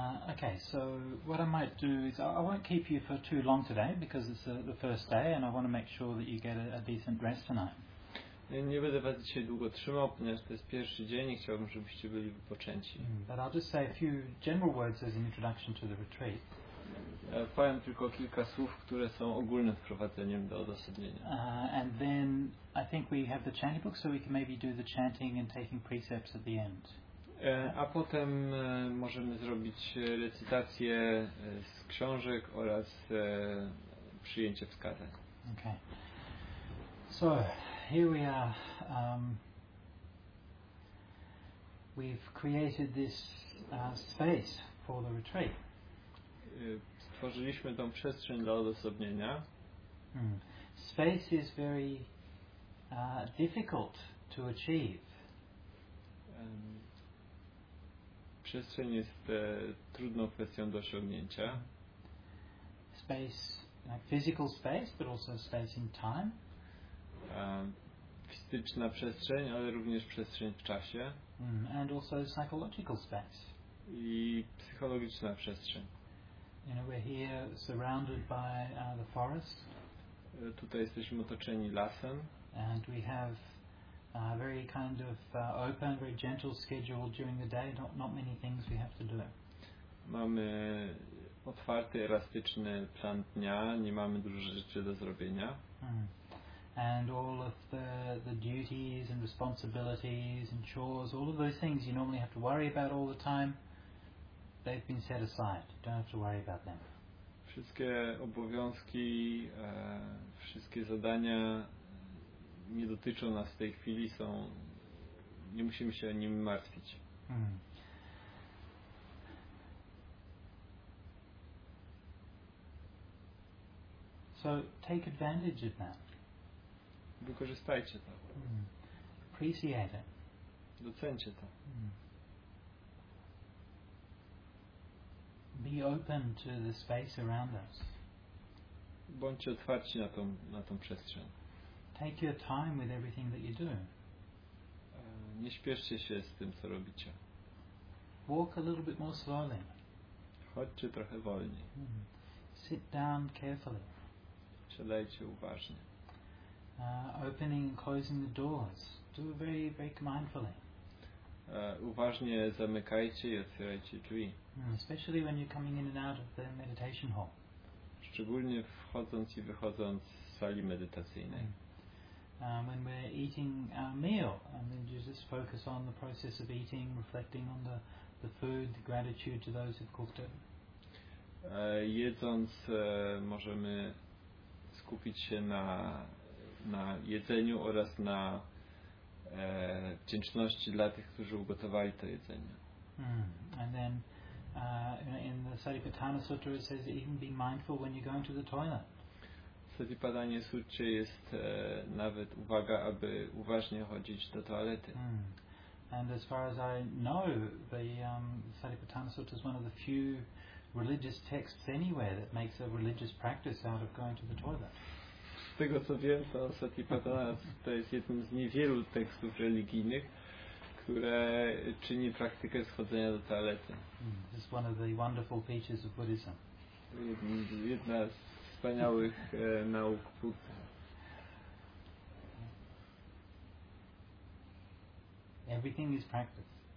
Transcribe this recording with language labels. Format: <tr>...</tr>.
<en>Okay, so what I might do is I won't keep you for too long today because it's the first day and I want to make sure that you get a decent rest tonight.</en> <pl>Nie będę was dzisiaj długo trzymał, ponieważ to jest pierwszy dzień i chciałbym, żebyście byli wypoczęci.</pl> <en>But I'll just say a few general words as an introduction to the retreat.</en> <pl>Powiem tylko kilka słów, które są ogólnym wprowadzeniem do odosobnienia.</pl> <en>And then I think we have the chanting book, so we can maybe do the chanting and taking precepts at the end.</en> <pl>A potem możemy zrobić recytację z książek oraz przyjęcie wskazań.</pl> <en>Okay. So, here we are. We've created this space for the retreat.</en> <pl>Stworzyliśmy tą przestrzeń dla odosobnienia.</pl> <en>Space is very difficult to achieve.</en> <pl>Przestrzeń jest trudną kwestią do osiągnięcia.</pl> <en>Space, like physical space, but also space in time.</en> <pl>Fizyczna przestrzeń, ale również przestrzeń w czasie.</pl> <en>And also psychological space.</en> <pl>I psychologiczna przestrzeń.</pl> <en>You know, we're here surrounded by the forest.</en> <pl>Tutaj jesteśmy otoczeni lasem.</pl> <en>And we have a very kind of open, very gentle schedule during the day. Not many things we have to do.</en> <pl>Mamy otwarty, elastyczny plan dnia. Nie mamy dużo rzeczy do zrobienia.</pl> <en>And all of the duties and responsibilities and chores, all of those things you normally have to worry about all the time, they've been set aside. You don't have to worry about them.</en> <pl>Wszystkie obowiązki, wszystkie zadania nie dotyczą nas w tej chwili, są, nie musimy się nimi martwić.</pl> <en>So take advantage of that.</en> <pl>Wykorzystajcie to.</pl> <en>Appreciate it.</en> <pl>Docencie to.</pl> <en>Be open to the space around us.</en> <pl>Bądźcie otwarci na tą przestrzeń.</pl> <en>Take your time with everything that you do.</en> <pl>Nie śpieszcie się z tym, co robicie.</pl> <en>Walk a little bit more slowly.</en> <pl>Chodźcie trochę wolniej.</pl> <en>Sit down carefully.</en> <pl>Siadajcie uważnie.</pl> <en>Opening and closing the doors. Do it very, very mindfully.</en> <pl>Uważnie zamykajcie i otwierajcie drzwi.</pl> <en>Especially when you're coming in and out of the meditation hall.</en> <pl>Szczególnie wchodząc i wychodząc z sali medytacyjnej.</pl> <en>When we're eating our meal, and then you just focus on the process of eating, reflecting on the food, the gratitude to those who've cooked it.</en> <pl>Jedząc, możemy skupić się na jedzeniu oraz na wdzięczności dla tych, którzy ugotowali to jedzenie.</pl> <en>And then in the Satipatthana Sutra it says even be mindful when you're going to the toilet.</en> <pl>W Satipatthana Sutra jest nawet uwaga, aby uważnie chodzić do toalety.</pl> <en>And as far as I know, the Satipatthana Sutra is one of the few religious texts anywhere that makes a religious practice out of going to the toilet.</en> <pl>Z tego co wiem, to Satipatthana to jest jednym z niewielu tekstów religijnych, które czyni praktykę schodzenia do toalety.</pl> <en>This is one of the wonderful features of Buddhism.</en> <pl>Jedna z wspaniałych nauk Buddy.</pl> <en>Everything is practice.</en>